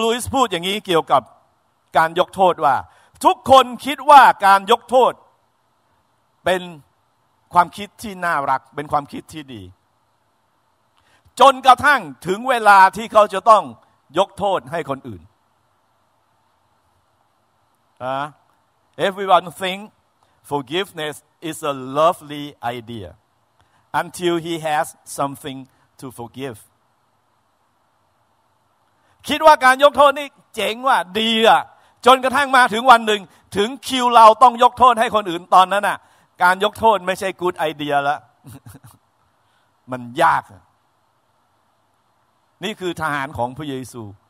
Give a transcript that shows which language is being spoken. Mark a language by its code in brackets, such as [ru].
[th] Lewis พูดอย่างนี้เกี่ยวกับการยกโทษว่าทุกคนคิดว่าการยกโทษเป็นความคิดที่น่ารักเป็นความคิดที่ดีจนกระทั่งถึงเวลาที่เขาจะต้องยกโทษให้คนอื่น [en] Everyone think Forgiveness is a lovely idea until he has something to forgive. [th] คิดว่าการยกโทษนี่เจ๋งว่ะดีอ่ะจนกระทั่งมาถึงวันหนึ่งถึงคิวเราต้องยกโทษให้คนอื่นตอนนั้นน่ะการยกโทษไม่ใช่ [en] good idea [th] ละมันยากนี่คือทหารของพระเยซู